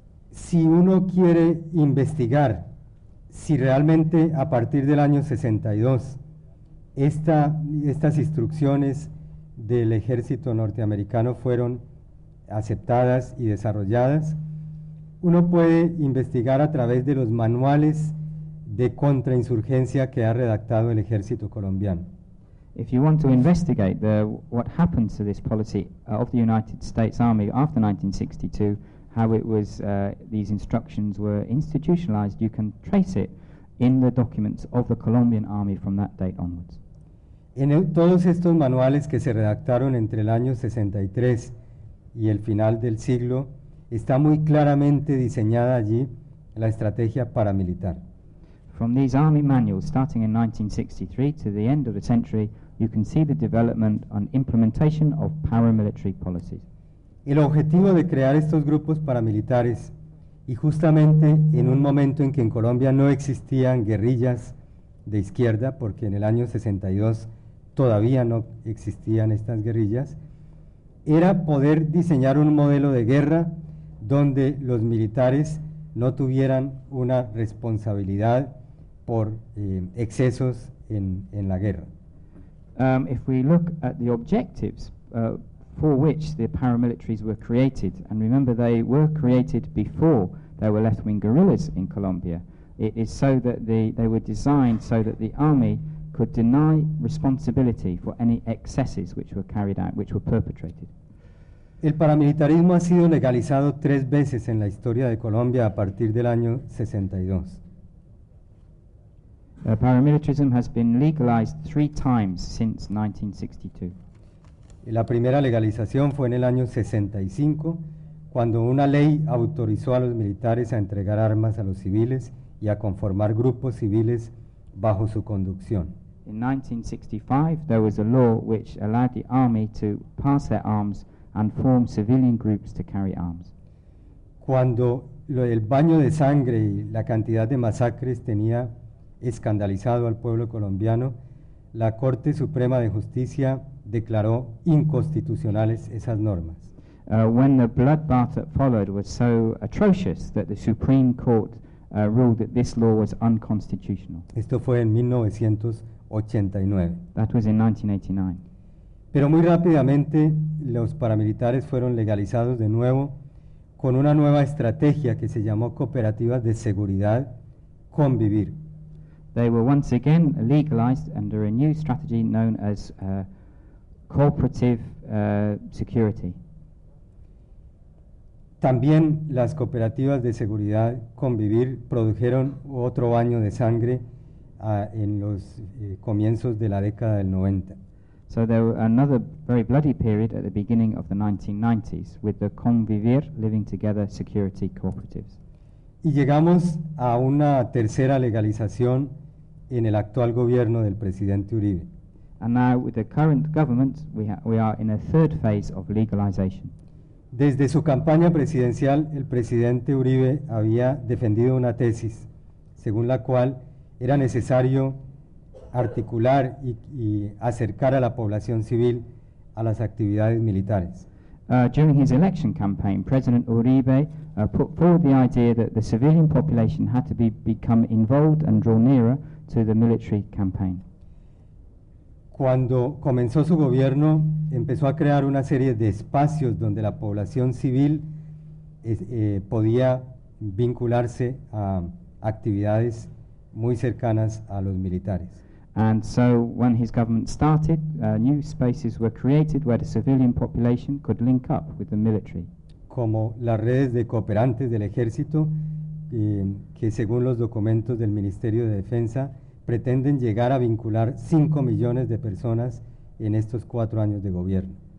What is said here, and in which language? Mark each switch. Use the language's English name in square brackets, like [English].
[Spanish] Si uno quiere investigar si realmente a partir del año 62 estas instrucciones del ejército norteamericano fueron aceptadas y desarrolladas, uno puede investigar a través de los manuales de contrainsurgencia que ha redactado el ejército colombiano. [English] If you want to investigate what happened to this policy of the United States Army after 1962, how it was these instructions were institutionalized, you can trace it in the documents of the Colombian Army from that date onwards. [Spanish] En todos estos manuales que se redactaron entre el año 63 y el final del siglo, está muy claramente diseñada allí la estrategia paramilitar. [English] From these army manuals, starting in 1963 to the end of the century, you can see the development and implementation of paramilitary policies. [Spanish] El objetivo de crear estos grupos paramilitares, y justamente en un momento en que en Colombia no existían guerrillas de izquierda, porque en el año 62 todavía no existían estas guerrillas, era poder diseñar un modelo de guerra donde los militares no tuvieran una responsabilidad por excesos en la guerra. [English] If we look at the objectives for which the paramilitaries were created, and remember they were created before there were left-wing guerrillas in Colombia, it is so that they were designed so that the army could deny responsibility for any excesses which were carried out, which were perpetrated. [Spanish] El paramilitarismo ha sido legalizado tres veces en la historia de Colombia a partir del año 62. [English] Paramilitarism has been legalized three times since 1962. [Spanish] La primera legalización fue en el año 65, cuando una ley autorizó a los militares a entregar armas a los civiles y a conformar grupos civiles bajo su conducción. [English] In 1965, there was a law which allowed the army to pass their arms and form civilian groups to carry arms. [Spanish] Cuando el baño de sangre y la cantidad de masacres tenía escandalizado al pueblo colombiano, la Corte Suprema de Justicia declaró inconstitucionales esas normas. [English] When the bloodbath that followed was so atrocious that the Supreme Court ruled that this law was unconstitutional. [Spanish] Esto fue en 1989. [English] That was in 1989. [Spanish] Pero muy rápidamente los paramilitares fueron legalizados de nuevo con una nueva estrategia que se llamó cooperativas de seguridad convivir. [English] They were once again legalized under a new strategy known as cooperative security. [Spanish] También las cooperativas de seguridad convivir produjeron otro baño de sangre en los comienzos de la década del 90. [English] So there was another very bloody period at the beginning of the 1990s with the convivir, living together, security cooperatives. [Spanish] Y llegamos a una tercera legalización en el actual gobierno del presidente Uribe. [English] And now with the current government, we are in a third phase of legalization. [Spanish] Desde su campaña presidencial, el presidente Uribe había defendido una tesis según la cual era necesario articular y acercar a la población civil a las actividades militares. [English] During his election campaign, President Uribe put forward the idea that the civilian population had to become involved and draw nearer to the military campaign. [Spanish] Cuando comenzó su gobierno, empezó a crear una serie de espacios donde la población civil podía vincularse a actividades muy cercanas a los militares. [English] And so when his government started, new spaces were created where the civilian population could link up with the military. [Spanish] Como las redes de cooperantes del ejército, que según los documentos del Ministerio de Defensa, pretenden llegar a vincular 5 millones de personas en estos 4 años de gobierno.